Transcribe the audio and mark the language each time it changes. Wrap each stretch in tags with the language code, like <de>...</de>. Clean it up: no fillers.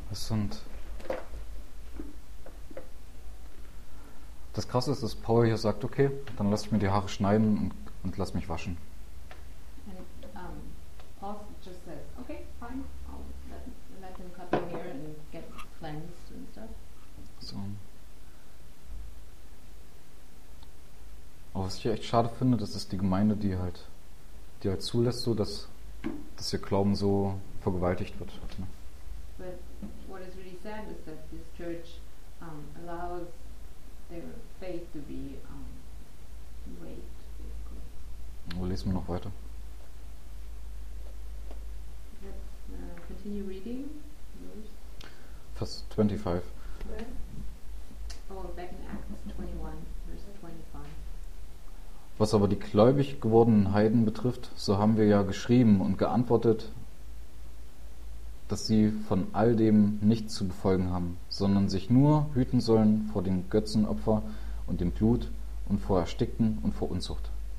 <de>Und das Krasse ist, dass Paul hier sagt, okay, dann lass ich mir die Haare schneiden und lass mich waschen.</de> <en>And Paul just says, okay, fine, I'll let him cut my hair and get cleansed and stuff.</en> <de>So. Aber was ich echt schade finde, das ist die Gemeinde, die halt zulässt, so dass ihr Glauben so vergewaltigt wird. Ne?</de> <en>But what is really sad is that this church allows their faith to be raped, basically.</en> <de>Well, lesen wir noch weiter.</de> <en>Let's continue reading.</en> <de>Vers 25.</de> <en>Where? Oh, back in Acts 21, verse 25.</en> <de>Was aber die gläubig gewordenen Heiden betrifft, so haben wir ja geschrieben und geantwortet, dass sie von all dem nichts zu befolgen haben, sondern sich nur hüten sollen vor dem Götzenopfer und dem Blut und vor Erstickten und vor Unzucht.</de>